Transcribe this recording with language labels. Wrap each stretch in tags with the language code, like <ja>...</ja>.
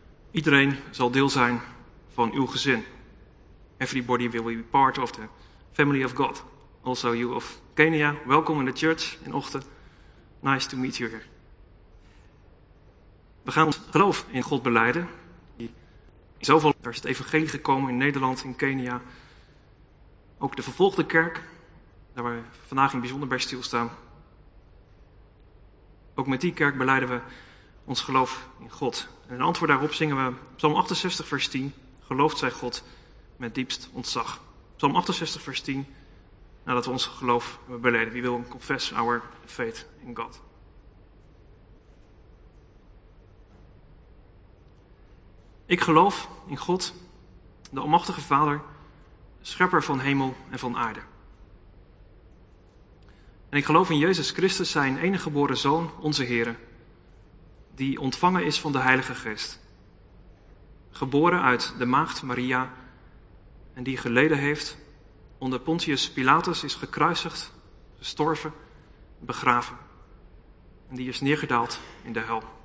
<nl>Iedereen zal deel zijn van uw gezin.</nl> <en>Everybody will be part of the family of God. Also you of Kenya, welcome in the church in Ochten. Nice to meet you here.</en> <nl>We gaan ons geloof in God belijden. Daar is het evangelie gekomen in Nederland, in Kenia. Ook de vervolgde kerk, daar we vandaag in bijzonder bij stilstaan. Ook met die kerk belijden we ons geloof in God. En in antwoord daarop zingen we Psalm 68 vers 10. Gelooft zij God met diepst ontzag. Psalm 68 vers 10. nadat we ons geloof hebben beleden.</nl> <en>We will confess our faith in God.</en> <nl>Ik geloof in God, de Almachtige Vader, schepper van hemel en van aarde. En ik geloof in Jezus Christus, zijn enige geboren Zoon, onze Heere, die ontvangen is van de Heilige Geest, geboren uit de maagd Maria en die geleden heeft onder Pontius Pilatus, is gekruisigd, gestorven, begraven en die is neergedaald in de hel.</nl>